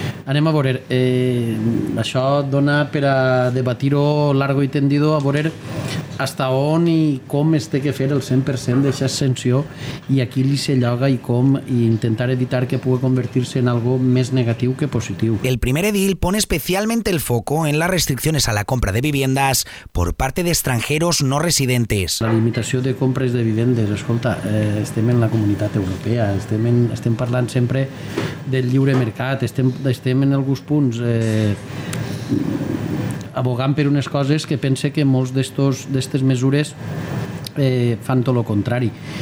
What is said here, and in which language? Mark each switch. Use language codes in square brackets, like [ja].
[ca] Anem a veure, això dona per a debatir-ho largo i tendido, a veure hasta on i com es té que fer el 100% d'aquesta ascensió i a qui li se lloga i com, i intentar evitar que pugui convertir-se en algo més negatiu que positiu. [es] El primer edil pone especialmente el foco en las restricciones a la compra de viviendas por parte de extranjeros no residentes. [ca] La limitació de compres de vivendes, escolta, estem en la comunitat europea, estem parlant sempre del lliure mercat, estem en alguns punts abogant per unes coses que pense que molts d'aquestes mesures fan tot el contrari.